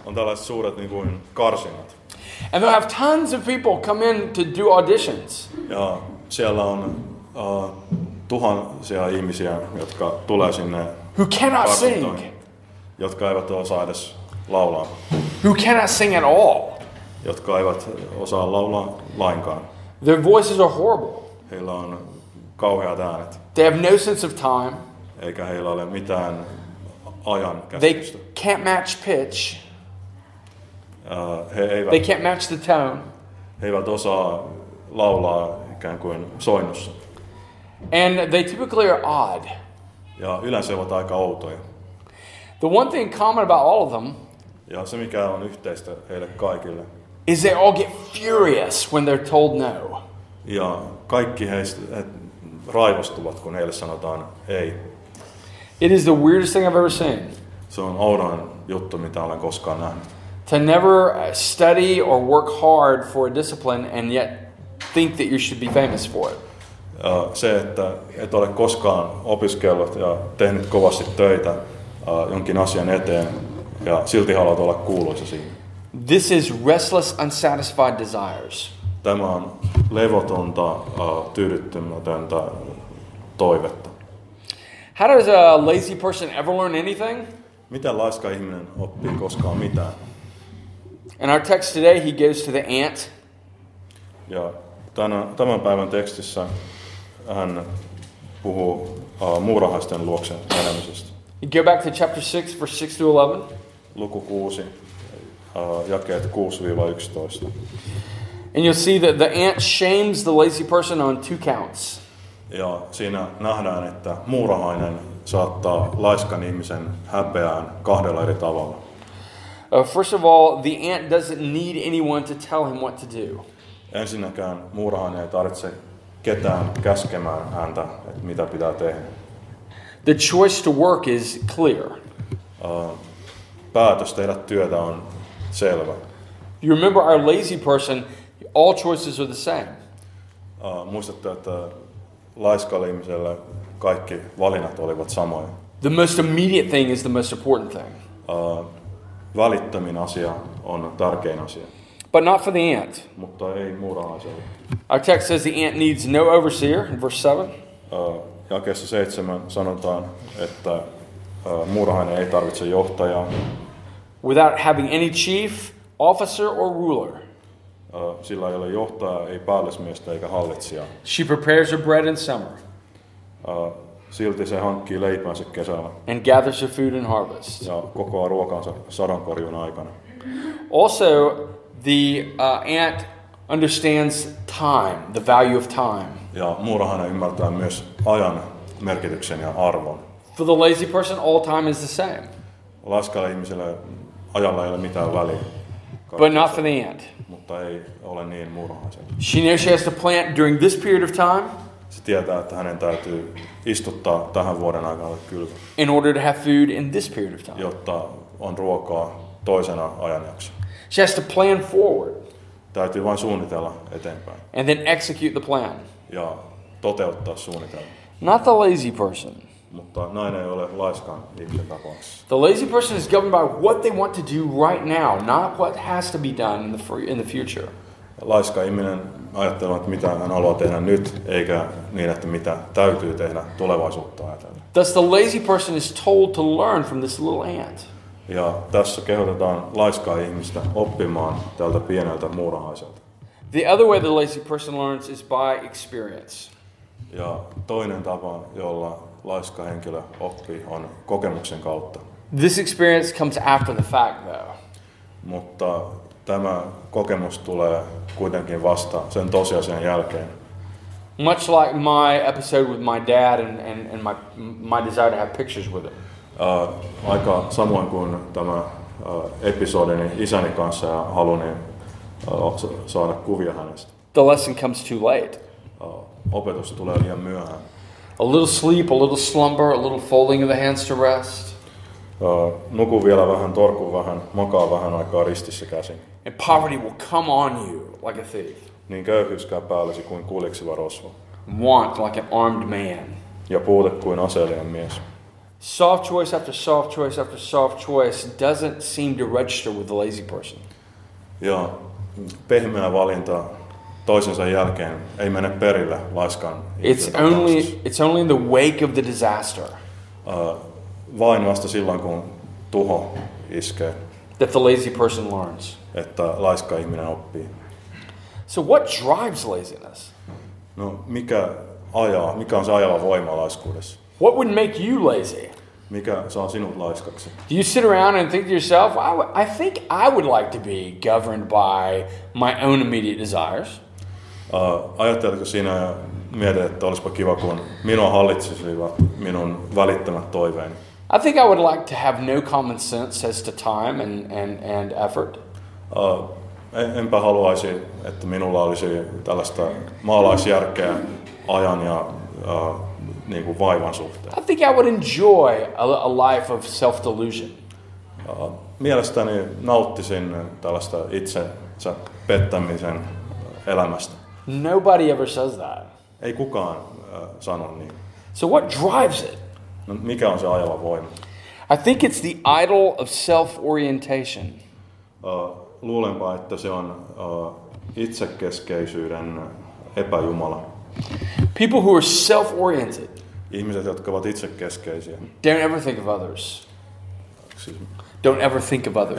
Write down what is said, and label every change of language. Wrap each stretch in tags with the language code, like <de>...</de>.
<fi>On tällaiset suuret niin kuin karsinat.</fi> <en>And they'll have tons of people come in to do auditions.</en> <fi>Ja siellä on tuhansia ihmisiä, jotka tulee sinne.</fi> <en>Who cannot sing.</en> <fi>Jotka eivät osaa edes laulaa.</fi> <en>Who cannot sing at all.</en> <fi>Jotka eivät osaa laulaa lainkaan.</fi> <en>Their voices are horrible.</en> <fi>Heillä on kauheat äänet.</fi> <en>They have no sense of time.</en> <fi>Eikä heillä ole mitään ajan käsitystä.</fi> <en>They can't match pitch. They can't match the tone.</en> <fi>He eivät osaa laulaa ikään kuin soinnussa.</fi> <en>And they typically are odd.</en> <fi>Ja yleensä ovat aika outoja.</fi> <en>The one thing common about all of them.</en> <fi>Ja se mikä on yhteistä heille kaikille.</fi> <en>Is they all get furious when they're told no.</en> <fi>Ja kaikki he raivostuvat kun heille sanotaan ei.</fi> <en>It is the weirdest thing I've ever seen.</en> <fi>Se on oudoin juttu mitä olen koskaan nähnyt.</fi> <en>To never study or work hard for a discipline and yet think that you should be famous for it.</en> <fi>Se, että et ole koskaan opiskellut ja tehnyt kovasti töitä jonkin asian eteen ja silti haluat olla kuuluisa siinä.</fi> <en>This is restless, unsatisfied desires.</en> <fi>Tämä on levotonta, tyydyttämätöntä toivetta.</fi> <en>How does a lazy person ever learn anything?</en> <fi>Miten laiska ihminen oppii koskaan mitään?</fi> <en>In our text today, he goes to the ant.</en> <fi>Ja tämän päivän tekstissä hän puhuu muurahaisten luoksen menemisestä.</fi> <en>Go back to chapter 6, verse 6 to 11.</en> <fi>Luku 6, jakeet 6-11.</fi> <en>And you'll see that the ant shames the lazy person on two counts.</en> <fi>Ja siinä nähdään, että muurahainen saattaa laiskan ihmisen häpeään kahdella eri tavalla.</fi> <en>First of all, the ant doesn't need anyone to tell him what to do.</en> <fi>Ensinnäkään muurahainen ei tarvitse ketään käskemään häntä, että mitä pitää tehdä.</fi> <en>The choice to work is clear.</en> <fi>Päätös tehdä työtä on selvä.</fi> <en>You remember our lazy person, all choices are the same.</en> <fi>Muistatte, että laiskalle ihmiselle kaikki valinnat olivat samoja.</fi> <en>The most immediate thing is the most important thing.</en> <fi>Välittömin asia on tärkein asia.</fi> <en>But not for the ant.</en> <fi>Mutta ei muurahaiselle.</fi> <en>Our text says the ant needs no overseer, in verse 7.</en> <fi>Jakeessa 7 sanotaan, että muurahainen ei tarvitse johtajaa.</fi> <en>Without having any chief, officer or ruler.</en> <fi>Sillä ei ole johtaja, ei päällysmiestä eikä hallitsija.</fi> <en>She prepares her bread in summer.</en> <fi>Silti se hankkii leipänsä kesällä.</fi> <en>And gathers her food in harvest.</en> <fi>Ja kokoaa ruokansa sadonkorjuun aikana.</fi> <en>Also, the ant understands time, the value of time.</en> <fi>Ja muurahainen ymmärtää myös ajan merkityksen ja arvon.</fi> <en>For the lazy person, all time is the same.</en> <fi>Laiskalle ihmiselle ajalla ei ole mitään väliä.</fi> <en>But not for the ant.</en> <fi>Mutta ei ole niin muurahaisen.</fi> <en>She knows she has to plant during this period of time.</en> <fi>Se tietää, että hänen täytyy istuttaa tähän vuoden aikana kylvä.</fi> <en>In order to have food in this period of time.</en> <fi>Jotta on ruokaa toisena ajanjaksona.</fi> <en>She has to plan forward.</en> <fi>Täytyy vain suunnitella eteenpäin.</fi> <en>And then execute the plan.</en> <fi>Ja toteuttaa suunnitelma.</fi> <en>Not the lazy person.</en> <fi>Mutta näin ei ole laiskaan ihmisen tapauksessa.</fi> <en>The lazy person is governed by what they want to do right now, not what has to be done in the future.</en> <fi>Laiska ihminen ajattelee, että mitä hän haluaa tehdä nyt, eikä niin, että mitä täytyy tehdä tulevaisuutta ajatellen.</fi> <en>Thus the lazy person is told to learn from this little ant.</en> <fi>Ja tässä kehotetaan laiskaa ihmistä oppimaan tältä pieneltä muurahaiselta.</fi> <en>The other way the lazy person learns is by experience.</en> <fi>Ja toinen tapa, jolla laiska henkilö oppii, on kokemuksen kautta.</fi> <en>This experience comes after the fact, though.</en> <fi>Mutta tämä kokemus tulee kuitenkin vasta sen tosiasian jälkeen.</fi> <en>Much like my episode with my dad and my desire to have pictures with him.</en> <fi>Aika samoin kuin tämä episodini isäni kanssa ja haluni saada kuvia hänestä.</fi> <en>The lesson comes too late.</en> <fi>Opetus tulee liian myöhään.</fi> <en>A little sleep, a little slumber, a little folding of the hands to rest.</en> <fi>Nuku vielä vähän, torku vähän, makaa vähän aikaa ristissä käsin.</fi> <en>And poverty will come on you like a thief.</en> <fi>Niin köyhyys käy päällesi kuin kuljeksiva rosvo.</fi> <en>Want like an armed man.</en> <fi>Ja puute kuin aseellinen mies.</fi> <en>Soft choice after soft choice after soft choice doesn't seem to register with the lazy person.</en> <fi>Ja pehmeä valinta toisensa jälkeen ei mene perille laiskaan.</fi> <en>It's only in the wake of the disaster.</en> <fi>Vain vasta silloin kun tuho iskee.</fi> <en>that the lazy person learns.</en> <fi>Että laiska ihminen oppii.</fi> <en>So what drives laziness?</en> <fi>No, mikä ajaa, mikä on se ajava voima laiskuudessa?</fi> <en>What would make you lazy?</en> <fi>Mikä saa sinut laiskaksi?</fi> <en>Do you sit around and think to yourself, I think I would like to be governed by my own immediate desires?</en> <fi>Ajatteletko sinä ja mietit, että olisipa kiva, kun minua hallitsisi minun välittämät toiveeni?</fi> <en>I think I would like to have no common sense as to time and effort.</en> <fi>Enpä haluaisi, että minulla olisi tällaista maalaisjärkeä ajan ja niin kuin vaivan suhteen.</fi> <en>I think I would enjoy a life of self-delusion.</en> <fi>Mielestäni nauttisin tällaista itsensä pettämisen elämästä.</fi> <en>Nobody ever says that.</en> <fi>Ei kukaan sano niin.</fi> <en>So what drives it?</en> <fi>No, mikä on se ajava voima?</fi> <en>I think it's the idol of self-orientation.</en> <fi>Luulenpa, että se on itsekeskeisyyden epäjumala.</fi> <en>People who are self-oriented.</en> <fi>Ihmiset, jotka ovat itsekeskeisiä.</fi> <en>Don't ever think of others.</en> <fi>Siis,</fi> <en>don't ever think of others.</en>